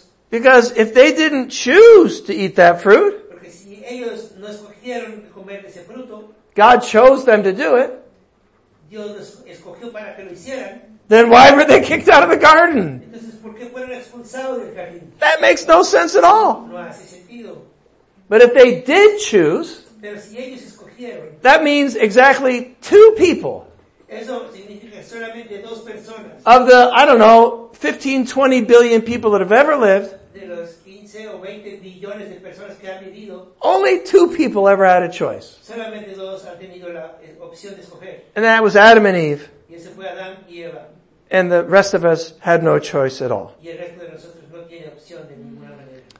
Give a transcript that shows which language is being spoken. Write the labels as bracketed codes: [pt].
[en] Because if they didn't choose to eat that fruit, [es] porque si ellos no escogieron comer ese fruto, [en] God chose them to do it, [es] Dios los escogió para que lo hicieran, [en] then why were they kicked out of the garden? [es] Entonces, ¿por qué fueron expulsados del jardín? [en] That makes no sense at all. [es] No hace sentido. [en] But if they did choose, [es] pero si ellos escogieron, [en] that means exactly two people. [es] Eso significa solamente dos personas. [en] Of the, I don't know, 15, 20 billion people that have ever lived, [es] de los 15 o 20 billones de personas que han vivido, [en] only two people ever had a choice. [es] Solamente dos han tenido la opción de escoger. [en] And that was Adam and Eve. [es] Y ese fue Adán y Eva. [en] And the rest of us had no choice at all. [es] Y el resto de nosotros no tiene opción de ninguna manera.